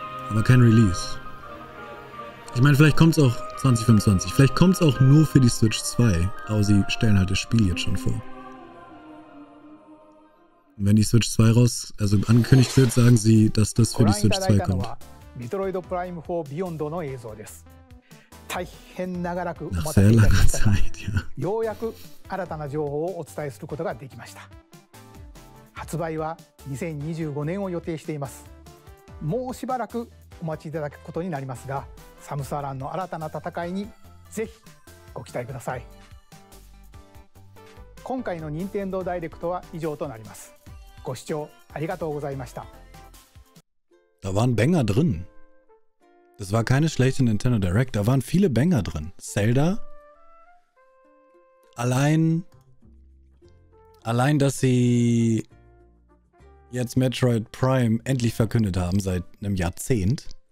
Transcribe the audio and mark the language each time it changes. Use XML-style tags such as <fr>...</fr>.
<de>Aber kein Release. Ich meine, vielleicht kommt es auch 2025. Vielleicht kommt es auch nur für die Switch 2. Aber sie stellen halt das Spiel jetzt schon vor. Und wenn die Switch 2 raus, also angekündigt wird, sagen sie, dass das für die Switch 2 kommt.</de> <ja>Metroid Prime 4 Beyond の映像です。大変長らくお待たせいたしました。</ja> <de>Ja.</de> <ja>ようやく新たな情報をお伝えすることができました。発売は2025年を予定しています。もうしばらくお待ちいただくことになりますが、サムスアランの新たな戦いにぜひご期待ください。今回の任天堂ダイレクトは以上となります。ご視聴ありがとうございました。</ja> <de>Da waren Banger drin. Das war keine schlechte Nintendo Direct. Da waren viele Banger drin. Zelda. Allein, dass sie jetzt Metroid Prime endlich verkündet haben seit einem Jahrzehnt.</de>